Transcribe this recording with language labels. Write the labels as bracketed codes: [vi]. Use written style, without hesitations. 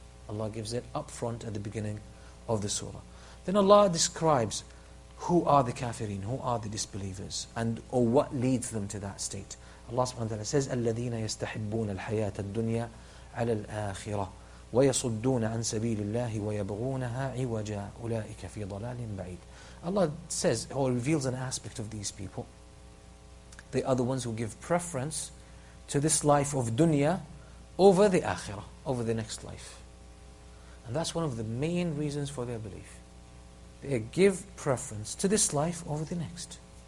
[en] Allah gives it up front at the beginning of the surah. Then Allah describes who are the kafirin, who are the disbelievers, and or what leads them to that state. Allah subhanahu wa ta'ala says, [ar] الَّذِينَ يَسْتَحِبُّونَ الْحَيَاةَ الدُّنْيَا عَلَى الْآخِرَةِ وَيَصُدُّونَ عَن سَبِيلِ اللَّهِ وَيَبْغُونَهَا عِوَجًا أُولَٰئِكَ فِي ضَلَالٍ بَعِيدٍ. [en] Allah says, or reveals an aspect of these people. They are the ones who give preference to this life of dunya over the akhirah, over the next life. And that's one of the main reasons for their belief. They give preference to this life over the next.